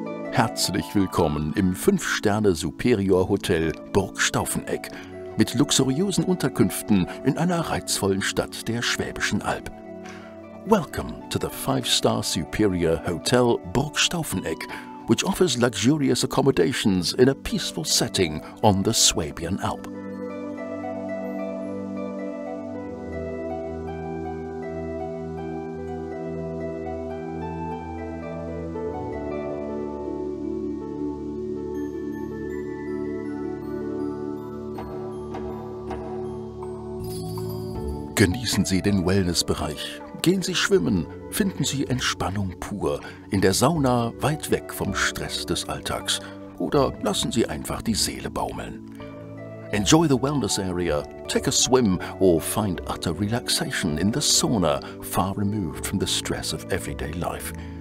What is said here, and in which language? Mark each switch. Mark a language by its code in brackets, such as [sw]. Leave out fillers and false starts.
[de] Herzlich willkommen im 5-Sterne-Superior-Hotel Burg Stauffenegg mit luxuriösen Unterkünften in einer reizvollen Stadt der Schwäbischen Alb. [en] Welcome to the 5-Star-Superior-Hotel Burg Stauffenegg, which offers luxurious accommodations in a peaceful setting on the Swabian Alb. [de] Genießen Sie den Wellnessbereich. Gehen Sie schwimmen. Finden Sie Entspannung pur. In der Sauna weit weg vom Stress des Alltags. Oder lassen Sie einfach die Seele baumeln. Enjoy the wellness area. [en] Take a swim or find utter relaxation in the sauna, far removed from the stress of everyday life.